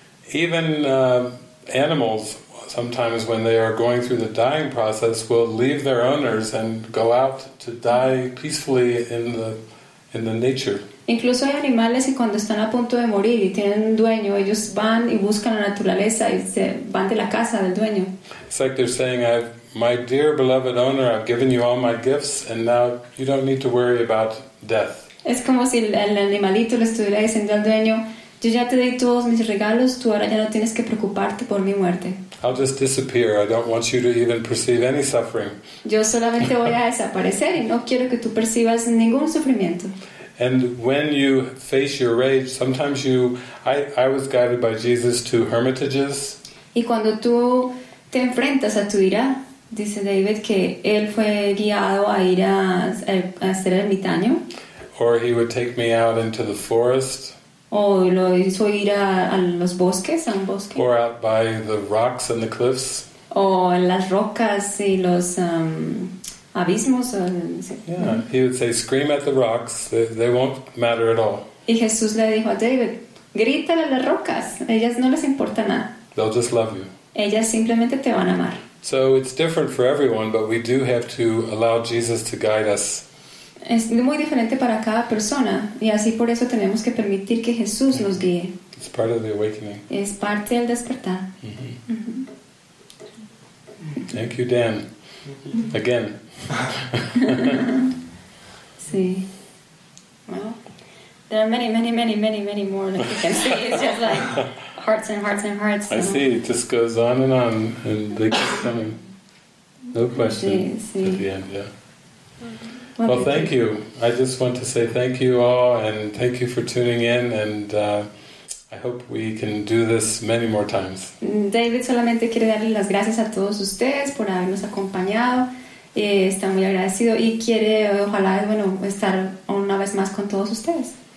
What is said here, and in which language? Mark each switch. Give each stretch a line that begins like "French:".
English: Even animals, sometimes when they are going through the dying process, will leave their owners and go out to die peacefully in the in the nature.
Spanish: Incluso hay animales y cuando están a punto de morir y tienen un dueño, ellos van y buscan la naturaleza y se van de la casa del dueño.
English: It's like they're saying, my dear beloved owner, I've given you all my gifts and now you don't need to worry about death.
Spanish: Es como si el animalito le estuviera diciendo al dueño, yo ya te di todos mis regalos, tú ahora ya no tienes que preocuparte por mi muerte.
English: I'll just disappear. I don't want you to even perceive any suffering.
Spanish: Yo solamente voy a desaparecer y no quiero que tú percibas ningún sufrimiento.
English: And when you face your rage, sometimes I was guided by Jesus to hermitages.
Spanish: Y cuando tú te enfrentas a tu ira, dice David que él fue guiado a ir a ser ermitaño.
English: Or he would take me out into the forest.
Spanish: O lo hizo ir a los bosques, a un bosque.
English: Or out by the rocks and the cliffs.
Spanish: O en las rocas y los abismos.
English: He would say, "Scream at the rocks; they won't matter at all."
Spanish: Y Jesús le dijo a David, "Grítale a las rocas; ellas no les importa nada."
English: They'll just love you.
Spanish: Ellas simplemente te van a amar.
English: So it's different for everyone, but we do have to allow Jesus to guide us.
Spanish: Es muy diferente para cada persona y así por eso tenemos que permitir que Jesús nos guíe.
English: It's part of the awakening.
Spanish: Es parte del despertar. Mm-hmm.
English: Mm-hmm. Thank you, Dan. Again.
Spanish: Sí.
English: Well, there are many, many, many, many, many more that you can see. It's just like hearts and hearts and hearts. I see. It just goes on and they keep coming. No question.
Spanish: Sí, sí.
English: At the end, yeah. Well, thank you. I just want to say thank you all, and thank you for tuning in, and I hope we can do this many more times.
Spanish: David solamente quiere darle las gracias a todos ustedes por habernos acompañado. Está muy agradecido y quiere, ojalá, bueno, estar una vez más con todos ustedes.